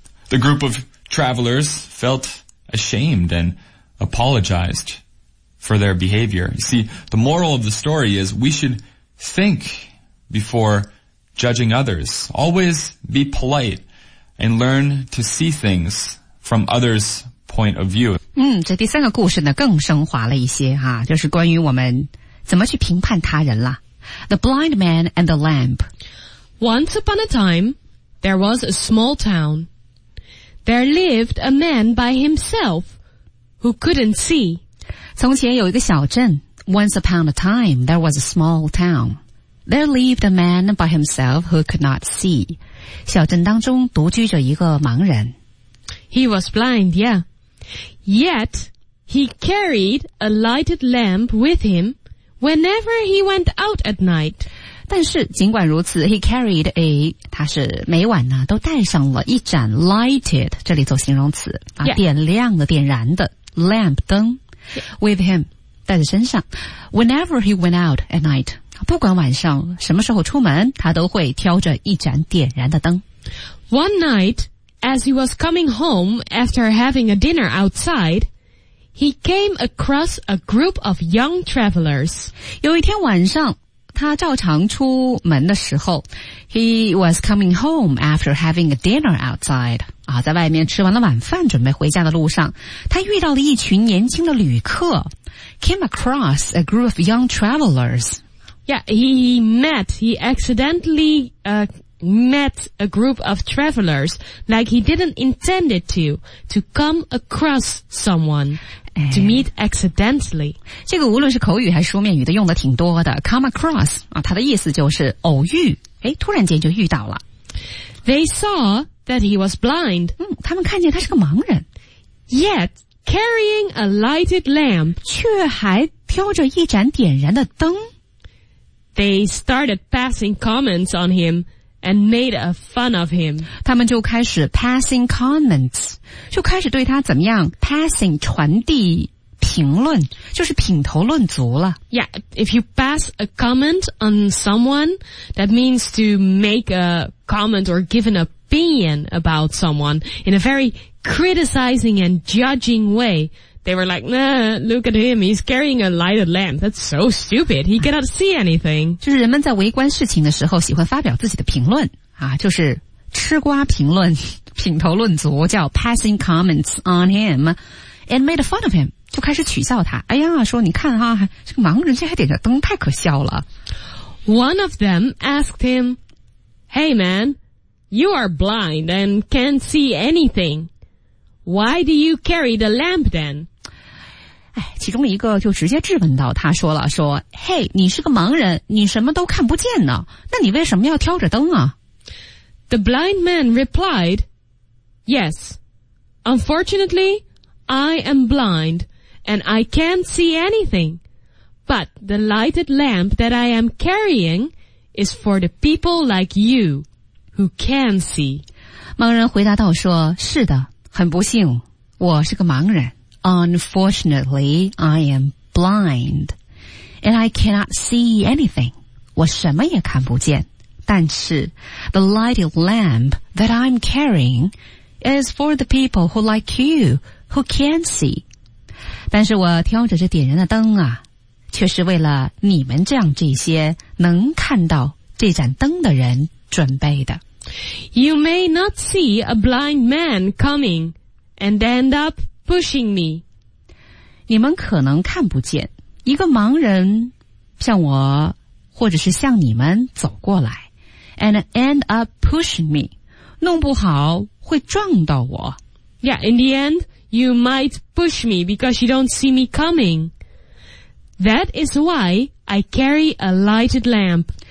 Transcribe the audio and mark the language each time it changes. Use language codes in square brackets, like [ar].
[en] The group of travelers felt ashamed and apologized for their behavior. You see, the moral of the story is we should think before judging others. Always be polite. And learn to see things from others' point of view. [zh] 嗯，这第三个故事呢更升华了一些哈、啊，就是关于我们怎么去评判他人了。 [en] The blind man and the lamp. Once upon a time, there was a small town. There lived a man by himself who couldn't see. [zh] 从前有一个小镇。 [en] Once upon a time, there was a small town. There lived a man by himself who could not see. [zh] 小镇当中独居着一个盲人。 [en] He was blind, yeah. Yet, he carried a lighted lamp with him whenever he went out at night. [zh] 但是尽管如此 , [en] he carried a, [zh] 他是每晚呢都带上了一盏 lighted, 这里做形容词、啊 [en] yeah. [zh] 点亮的点燃的 lamp 灯、 [en] yeah. with him, [zh] 带在身上。 [en] Whenever he went out at night, [zh] 不管晚上什么时候出门，他都会挑着一盏点燃的灯。 [en] One night, as he was coming home after having a dinner outside, he came across a group of young travelers. [zh] 有一天晚上，他照常出门的时候 [en] ，he was coming home after having a dinner outside. [zh] 啊，在外面吃完了晚饭，准备回家的路上，他遇到了一群年轻的旅客。 [en] Came across a group of young travelers. Yeah, he accidentally met a group of travelers, like he didn't intend it to come across someone, to meet accidentally. [zh] 这个无论是口语还是书面语的用的挺多的 ,come across, 啊，它的意思就是偶遇，诶，突然间就遇到了。 [en] They saw that he was blind. [zh] 嗯，他们看见他是个盲人。 [en] Yet, carrying a lighted lamp, [zh] 却还挑着一盏点燃的灯。 [en] They started passing comments on him and made a fun of him. [zh] 他们就开始 passing comments, 就开始对他怎么样 passing 传递评论，就是品头论足了。 [en] Yeah, if you pass a comment on someone, that means to make a comment or give an opinion about someone in a very criticizing and judging way. They were like, nah, look at him, he's carrying a lighted lamp. That's so stupid, he cannot see anything. [zh] 就是人们在围观事情的时候喜欢发表自己的评论啊，就是吃瓜评论品头论足叫 [en] passing comments on him and made fun of him, [zh] 就开始取笑他。哎呀，说你看啊，这个盲人这还点着灯，太可笑了。 [en] One of them asked him, Hey man, you are blind and can't see anything.Why do you carry the lamp then? [zh] 哎，其中一个就直接质问到，他说了，说，嘿，你是个盲人，你什么都看不见呢，那你为什么要挑着灯啊？ [en] The blind man replied, Yes, unfortunately, I am blind, and I can't see anything, but the lighted lamp that I am carrying is for the people like you, who can see. [zh] 盲人回答道说，是的，很不幸，我是个盲人。 [en] Unfortunately, I am blind, and I cannot see anything. [zh] 我什么也看不见。但是 [en] the lighted lamp that I'm carrying is for the people who like you, who can see. [zh] 但是我挑着这点燃的灯啊，却是为了你们这样这些能看到这盏灯的人准备的。 [en] You may not see a blind man coming and end up pushing me. [zh] 你们可能看不见一个盲人向我或者是向你们走过来 [en] and end up pushing me. [zh] 弄不好会撞到我。 [en] Yeah, in the end, you might push me because you don't see me coming. That is why I carry a lighted lamp.